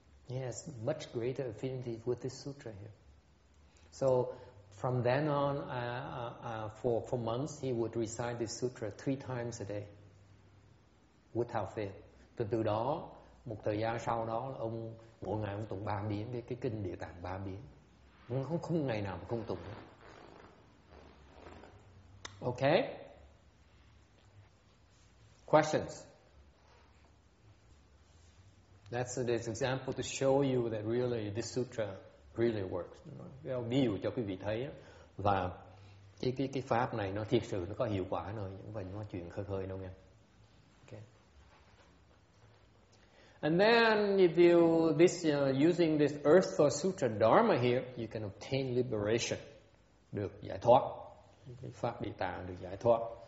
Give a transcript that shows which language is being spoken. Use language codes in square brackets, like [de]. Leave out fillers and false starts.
[en] He has much greater affinity with this sutra here. So from then on, for months he would recite this sutra 3 times a day without fail. [vi] Từ đó, một thời gian sau đó là ông mỗi ngày ông tụng 3 biến cái kinh Địa Tạng 3 biến. Không ngày nào mà không tụng. [en] Okay. Questions. That's this example to show you that really this sutra really works. [vi] Để ví dụ cho quý vị thấy và cái pháp này nó thiệt sự nó có hiệu quả rồi, những vấn nó chuyện khơi đâu nghe. [en] And then if you this using this Earth Saw Sutra Dharma here, you can obtain liberation. [vi] Được giải thoát. Pháp Địa Tạng được giải thoát.